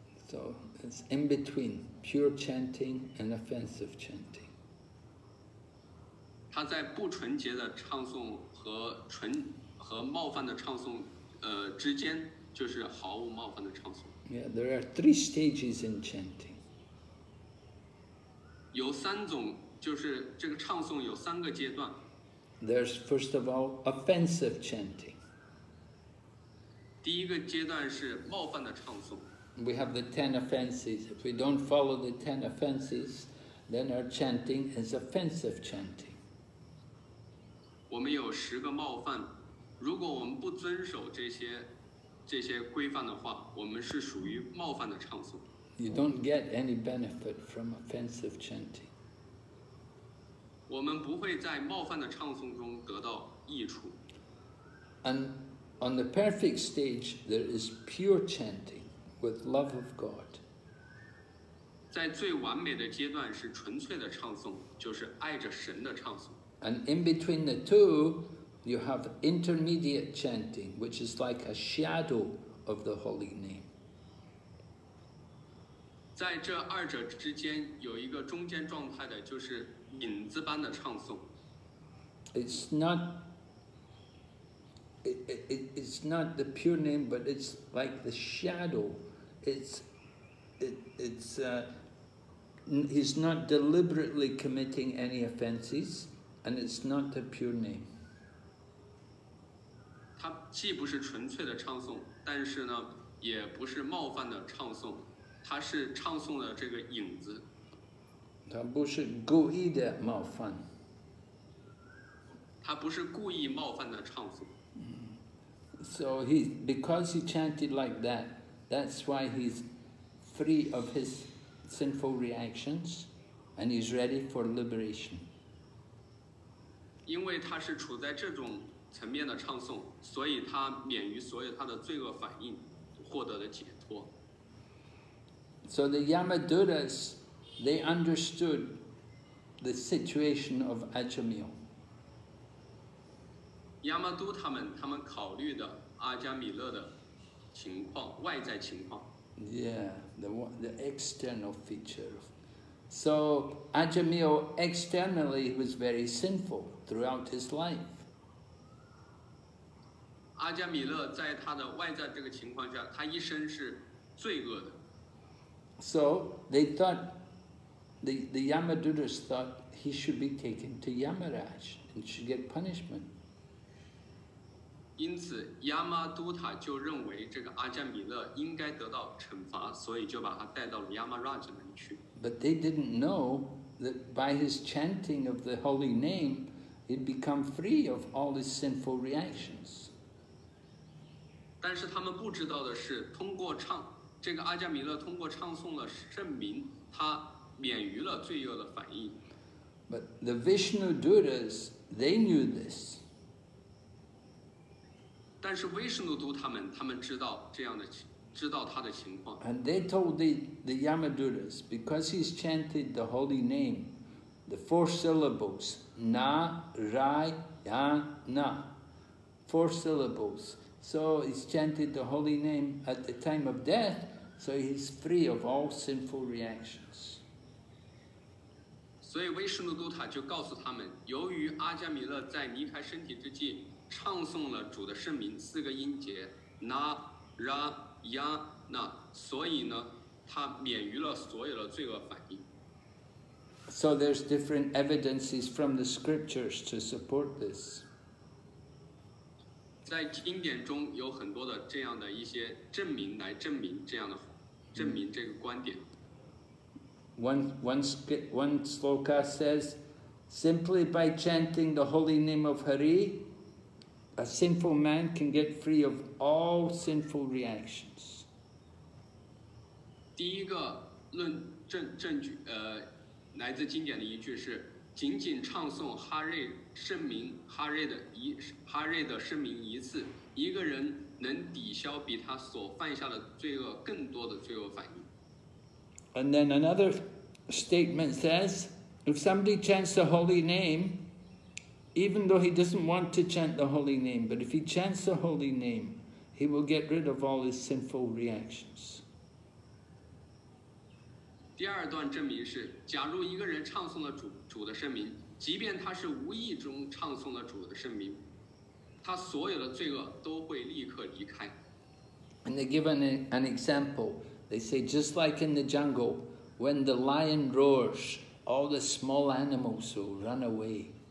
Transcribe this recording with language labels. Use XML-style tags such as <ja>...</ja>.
<en>So it's in between pure chanting and offensive chanting.</en> <zh>他在不纯洁的唱诵和纯和冒犯的唱诵，之间就是毫无冒犯的唱诵。</zh> <en>Yeah, there are three stages in chanting.</en> <zh>有三种，就是这个唱诵有三个阶段。</zh> <en>There's first of all offensive chanting.</en> <zh>第一个阶段是冒犯的唱诵。</zh> <en>We have the ten offenses. If we don't follow the ten offenses, then our chanting is offensive chanting.</en> <zh>我们有十个冒犯，如果我们不遵守这些规范的话，我们是属于冒犯的唱诵。</zh> <en>You don't get any benefit from offensive chanting.</en> <zh>我们不会在冒犯的唱诵中得到益处。</zh> <en>And on the perfect stage, there is pure chanting. With love of God.</en> <zh>在最完美的阶段是纯粹的唱诵，就是爱着神的唱诵。</zh> <en>And in between the two, you have intermediate chanting, which is like a shadow of the holy name.</en> <zh>在这二者之间有一个中间状态的，就是影子般的唱诵。</zh> <en>It's not the pure name, but it's like the shadow. He's not deliberately committing any offenses, and it's not the pure name.</en> <zh>它既不是纯粹的唱诵，但是呢，也不是冒犯的唱诵，它是唱诵的这个影子。它不是故意的冒犯。它不是故意冒犯的唱诵。</zh> <en>So because he chanted like that. That's why he's free of his sinful reactions, and he's ready for liberation.</en> <zh>因为他是处在这种层面的唱诵，所以他免于所有他的罪恶反应，获得了解脱。</zh> <en>So the Yamadutas, they understood the situation of Ajamil.</en> <zh>Yamadu 他们考虑的阿加米勒的。情况外在情况</zh> <en>Yeah, the external feature. So, Ajamil externally was very sinful throughout his life.</en> <zh>阿加米勒在他的外在这个情况下，他一生是罪恶的。</zh> <en>So, they thought, the Yamadutas thought he should be taken to Yamaraj and should get punishment.</en> <zh>因此亚玛都塔就认为这个阿加米勒应该得到惩罚，所以就把他带到了亚玛拉吉那里去。</zh> <en>But they didn't know that by his chanting of the holy name, he'd become free of all his sinful reactions.</en> <zh>但是他们不知道的是，通过唱这个阿加米勒通过唱诵了圣名，他免于了罪恶的反应。</zh> <en>But the Vishnu Dutas, they knew this.</en> <zh>但是维什努都他们知道这样的，知道他的情况。</zh> <en>And they told the Yamadutas because he's chanted the holy name, the four syllables na rai ya na, four syllables. So he's chanted the holy name at the time of death, so he's free of all sinful reactions.</en> <zh>所以维什努都塔就告诉他们，由于阿加米勒在离开身体之际。唱诵了主的圣名四个音节 na ra ya na， 所以呢，他免于了所有的罪恶反应。</zh> <en>So there's different evidences from the scriptures to support this.</en> <zh>在经典中有很多的这样的一些证明来证明这样的，证明这个观点。</zh> <en>One sloka says, simply by chanting the holy name of Hari. A sinful man can get free of all sinful reactions.</en> <zh>第一个论证据，来自经典的一句是：仅仅唱诵哈瑞圣名，哈瑞的圣名一次，一个人能抵消比他所犯下的罪恶更多的罪恶反应。</zh> <en>And then another statement says, If somebody chants the holy name, even though he doesn't want to chant the holy name, but if he chants the holy name, he will get rid of all his sinful reactions.</en> <zh>第二段证明是，假如一个人唱诵了主的圣名，即便他是无意中唱诵了主的圣名，他所有的罪恶都会立刻离开。</zh> <en>And they give an example. They say, just like in the jungle, when the lion roars, all the small animals will run away.</en>